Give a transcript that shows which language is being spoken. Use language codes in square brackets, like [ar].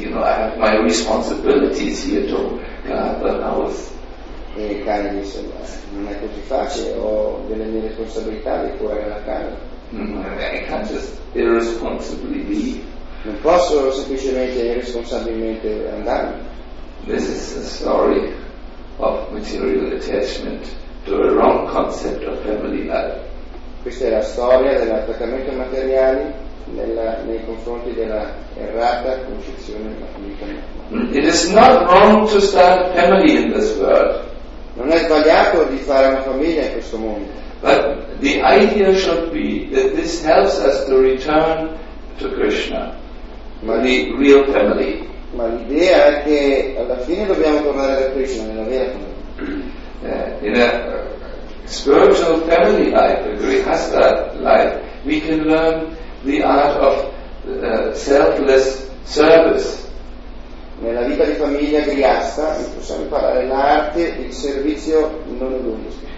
[en] You know, I have my responsibilities here to guard the house. [it] E il cane disse, non è così facile, ho delle mie responsabilità di curare la casa. [en] I can't just irresponsibly leave. [it] Non posso semplicemente e responsabilmente andare. [en] This is a story of material attachment to a wrong concept of family life. [it] Questa è la storia dell'attaccamento materiale nei confronti della errata concezione della famiglia. [en] It is not wrong to start a family in this world. [it] Non è sbagliato di fare una famiglia in questo mondo. [en] But the idea should be that this helps us to return to Krishna, ma the real family. [it] Ma l'idea è che alla fine dobbiamo tornare a Krishna nella vera famiglia. [en] In a spiritual family life, a grihastha life, we can learn the art of selfless service. [it] Nella vita di famiglia grihastha possiamo imparare l'arte del servizio non egoistico.